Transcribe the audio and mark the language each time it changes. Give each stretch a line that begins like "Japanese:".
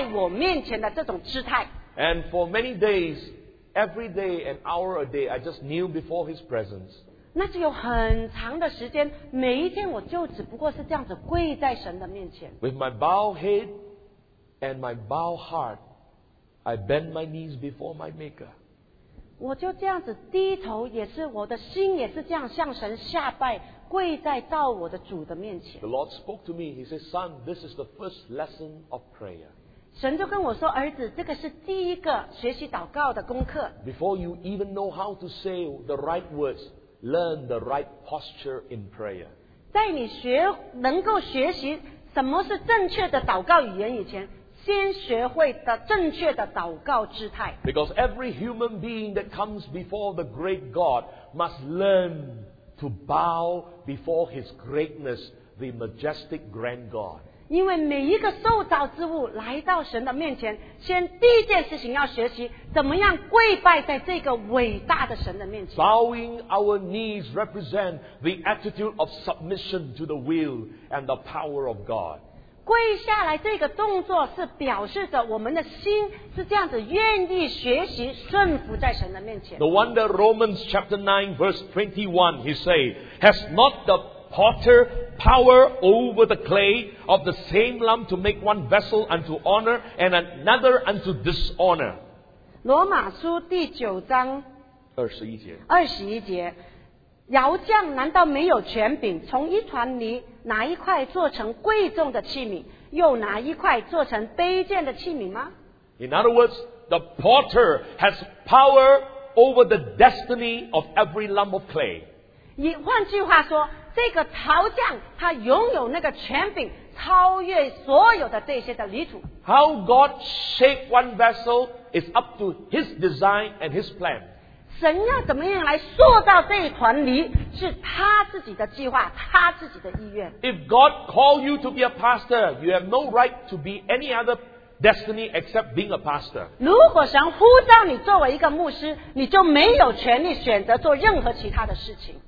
Chinese: 他就说你要学习这个跪在我面前的这种姿态。
English: And for many days, every day, an hour a day, I just kneel before His presence.
Chinese: 那就有很长的时间，每一天我就只不过是这样子跪在神的面前。
English: With my bowed head and my bowed heart, I bend my knees before my Maker.
Chinese: 我就这样子低头，也是我的心也是这样向神下拜，跪在造我的主的面前。
English: The Lord spoke to me. He said, "Son, this is the first lesson of prayer."
Chinese: 神就跟我说，儿子，这个是第一个学习祷告的功课。
English: Before you even know how to say the right words, learn the right posture in prayer.
Chinese: 在你能够学习什么是正确的祷告语言以前。
English: Because every human being that comes before the great God must learn to bow before His greatness, the majestic grand God.
Chinese: 因为每一个受造之物来到神的面前，先第一件事情要学习怎么样跪拜在这个伟大的神的面前。
English: Bowing our knees represent the attitude of submission to the will and the power of God。
Chinese: 跪下来这个动作是表示着我们的心是这样子愿意学习顺服在神的面前。
English: No wonder Romans chapter 9 verse 21 he say, Has not the potter power over the clay of the same lump to make one vessel unto honor and another unto dishonor?
Chinese: 罗马书第九章 21节窑匠难道没有权柄从一团泥拿一块做成贵重的器皿又拿一块做成卑贱的器皿吗？
English: In other words, the potter has power over the destiny of every lump of clay.
Chinese: 以换句话说，这个陶匠他拥有那个权柄超越所有的这些的泥土。
English: How God shaped one vessel is up to his design and his plan.
Chinese: 神要怎么样来塑造这一团泥是他自己的计划他自己的意愿。
English: If God called you to be a pastor, you have no right to be any other destiny except being a pastor.
Chinese: 如果神呼召你作为一个牧师你就没有权利选择做任何其他的事情。